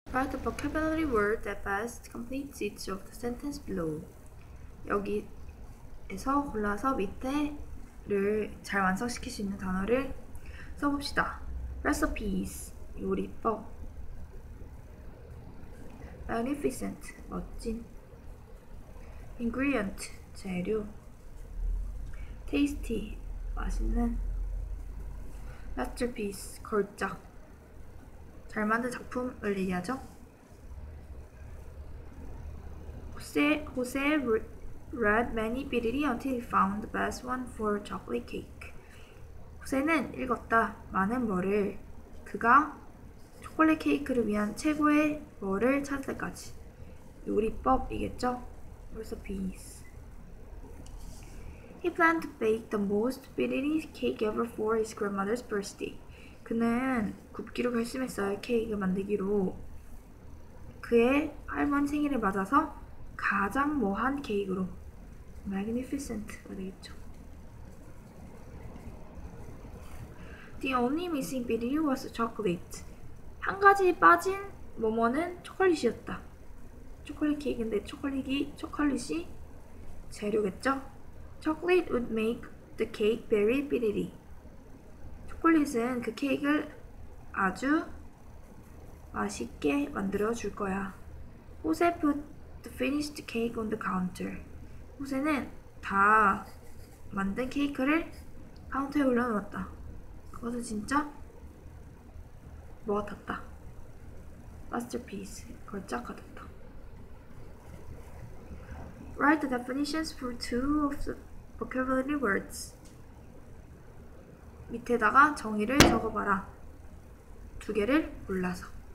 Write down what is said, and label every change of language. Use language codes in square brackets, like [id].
[en] Part of vocabulary word that passed complete each of the sentence below. [ko] 여기에서 골라서 밑에를 잘 완성시킬 수 있는 단어를 써봅시다. [en] Recipes, [ko] 요리법. [en] Magnificent, [ko] 멋진. [en] Ingredient, [ko] 재료. [en] Tasty, [ko] 맛있는. [en] Masterpiece, [ko] 걸작. 잘 만든 작품을 얘기하죠. [en] 호세 read many BDD until he found the best one for chocolate cake. [ko] 호세는 읽었다. 많은 뭐를 그가 초콜릿 케이크를 위한 최고의 뭐를 찾을 때까지. 요리법이겠죠? Recipes. [en] He planned to bake the most BDD cake ever for his grandmother's birthday. [ko] 그는 굽기로 결심했어요. 케이크 만들기로. 그의 할머니 생일을 맞아서 가장 모한 케이크로 Magnificent가 되겠죠. [en] The only missing BDD was chocolate. [ko] 한 가지 빠진 뭐뭐는 초콜릿이었다. 초콜릿 케이크인데 초콜릿이 재료겠죠? [en] Chocolate would make the cake very BDD. [ko] 초콜릿은 그 케이크를 아주 맛있게 만들어 줄 거야. [en] Jose put the finished cake on the counter. [ko] 호세는 다 만든 케이크를 카운터에 올려놓았다. 그것은 진짜 뭐 같았다. Masterpiece, 걸작 같았다. [en] Write the definitions for two of the vocabulary words. [ko] 밑에다가 정의를 적어봐라. 두 개를 골라서.